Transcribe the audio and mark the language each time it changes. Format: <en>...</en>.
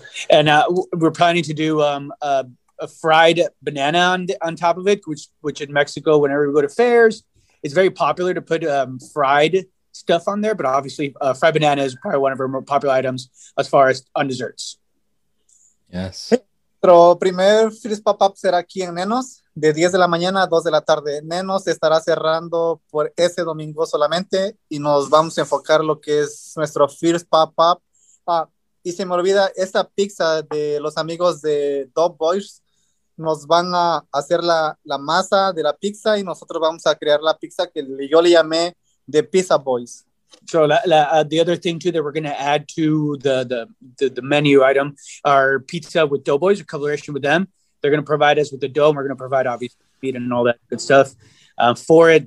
<en>And we're planning to do a fried banana on top of it, which in Mexico, whenever we go to fairs, it's very popular to put fried stuff on there. But obviously, fried banana is probably one of our more popular items as far as on desserts. Yes.</en> <es>Nuestro primer</es> <en>first pop-up</en> <es>será aquí en Nenos, de 10 de la mañana a 2 de la tarde. Nenos estará cerrando por ese domingo solamente, y nos vamos a enfocar lo que es nuestro</es> <en>first pop-up.</en> <es>Y se me olvida, esta pizza de los amigos de Dog Boys nos van a hacer la masa de la pizza, y nosotros vamos a crear la pizza que yo le llamé de Pizza Boys.</es> <en>So the other thing too that we're going to add to the menu item are pizza with Doughboys, a collaboration with them. They're going to provide us with the dough, and we're going to provide obviously meat and all that good stuff for it.</en>